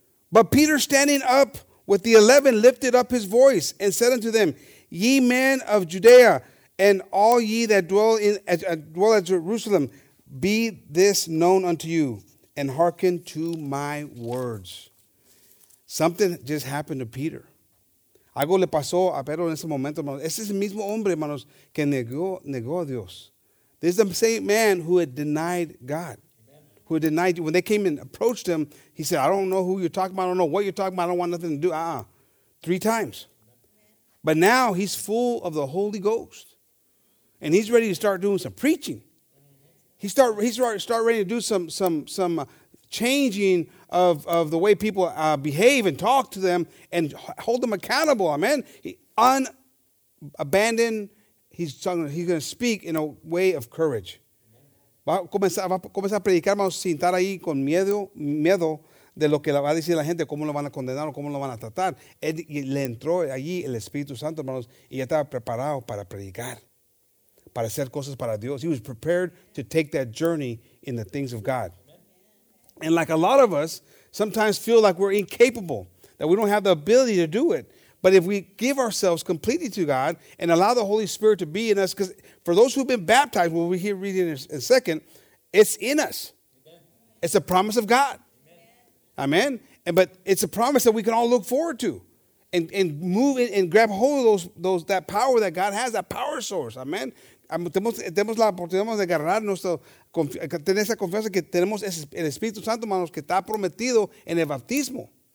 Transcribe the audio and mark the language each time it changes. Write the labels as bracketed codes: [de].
[en] But Peter, standing up with the 11, lifted up his voice and said unto them, ye men of Judea, and all ye that dwell at Jerusalem, be this known unto you, and hearken to my words. Something just happened to Peter. [es] Algo le pasó a Pedro en ese momento, hermanos. Es ese mismo hombre, hermanos, que negó a Dios. [en] This is the same man who had denied God, who had denied you. When they came and approached him, he said, I don't know who you're talking about. I don't know what you're talking about. I don't want nothing to do. Three times. But now he's full of the Holy Ghost, and he's ready to start doing some preaching. He's ready to do some changing of the way people behave and talk to them and hold them accountable. Amen. Unabandoned. He's going to speak in a way of courage. [es] Va a comenzar a predicar, vamos a sentar ahí con miedo de lo que va a decir la gente, cómo lo van a condenar o cómo lo van a tratar. Le entró allí el Espíritu Santo, hermanos, y ya estaba preparado para predicar, para hacer cosas para Dios. [en] He was prepared to take that journey in the things of God. And like a lot of us, sometimes feel like we're incapable, that we don't have the ability to do it. But if we give ourselves completely to God and allow the Holy Spirit to be in us, because for those who've been baptized, we'll be here reading in a second, it's in us. Amen. It's a promise of God. Amen. Amen. But it's a promise that we can all look forward to and move in and grab hold of those that power that God has, that power source. Amen. [es] Tenemos la oportunidad de agarrar nuestro, tener esa confianza que tenemos el Espíritu Santo, hermanos, que está prometido en el bautismo.